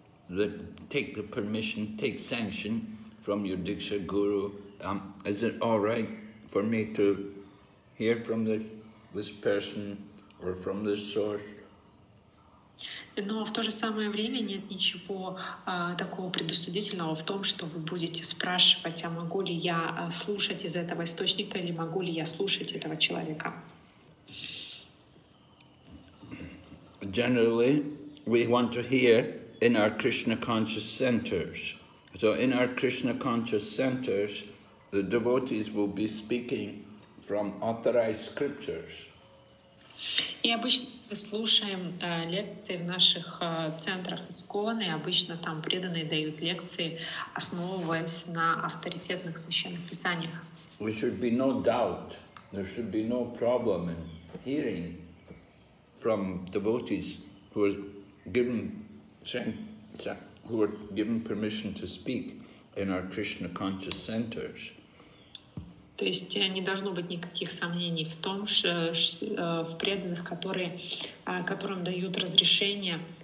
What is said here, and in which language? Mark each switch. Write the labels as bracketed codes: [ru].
[en] That take the permission, take sanction from your Diksha Guru. Is it all right for me to hear from this person or from this source? [ru] Но в то же самое время нет ничего такого предосудительного в том, что вы будете спрашивать, а могу ли я слушать из этого источника или могу ли я слушать этого человека? [en] Generally, we want to hear in our Krishna conscious centers. So in our Krishna conscious centers, the devotees will be speaking from authorized scriptures. [ru] И обычно мы слушаем лекции в наших центрах ИСКОН, и обычно там преданные дают лекции, основываясь на авторитетных священных писаниях. [en] There should be no doubt, there should be no problem in hearing from devotees who were given permission to speak in our Krishna conscious centers. [ru] То есть не должно быть никаких сомнений в том, что в преданных, которым дают разрешение